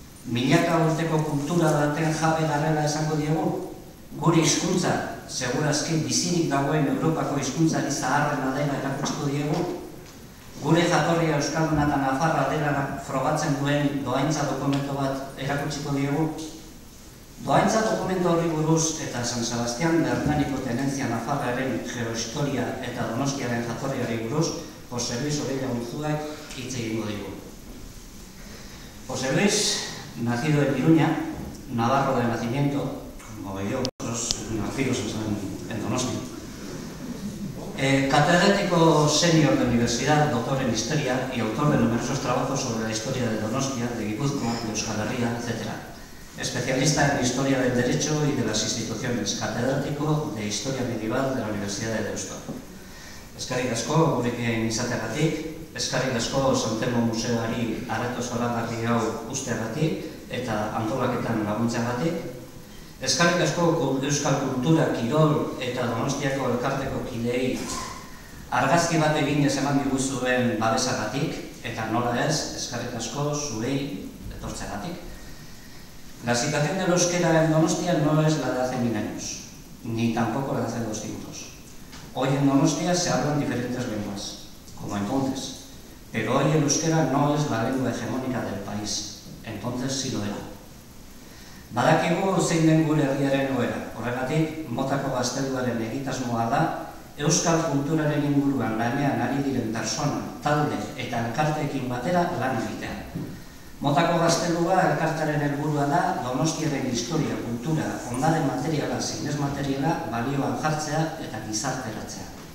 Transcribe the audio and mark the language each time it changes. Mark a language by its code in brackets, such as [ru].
[eu] 1000 urteko kultura baten jabe garrera esango diegu, gure hizkuntza, segurazki bizirik dagoen Europako hizkuntzari zaharrena dela erakutsiko diegu, gure jatorria euskalduna eta nafarra dela frogatzen duen dohaintza dokumento bat erakutsiko diegu. Dohaintza dokumento horri buruz eta San Sebastián de Hernaniko tenentzia nafarraren geohistoria eta Donostiaren jatorriari buruz, José Luis Orilla Unzuak hitz egingo digu. [es] José Luis, nacido en Iruña, navarro de nacimiento, como yo, otros nacidos en Donosti. Catedrático senior de universidad, doctor en historia y autor de numerosos trabajos sobre la historia de Donostia, de Gipuzkoa, de Euskal Herria, etc. Especialista en historia del derecho y de las instituciones, catedrático de historia medieval de la Universidad de Deusto. [eu] Eskerrik asko gurekin izateagatik, eskerrik asko San Telmo Museoari arreto zoragarri hau usteagatik eta antolaketan laguntzeagatik. Eskerrik asko Euskal Kultura, Kirol eta Donostiako Elkarteko kideei argazki bat egin ez eman diguzuen babesagatik eta nola ez, eskerrik asko zuei etortzeagatik. [es] La situación del euskera en Donostia no es la de hace 1000 años, ni tampoco la de hace 200. Hoy en Donostia se hablan diferentes lenguas, como entonces, Pero hoy el euskera no es la lengua hegemónica del país, entonces sí lo era. [eu] Badakigu zein den gure herriaren egoera, horregatik motako gazteluaren egitasmoa da, euskal kulturaren inguruan lanean ari diren persona, talde eta elkarteekin batera lan egitea. Motako gaztelua elkartaren helburua da Donostiaren historia, kultura, ondare materiala zein ez materiala balioan jartzea eta gizarteratzea.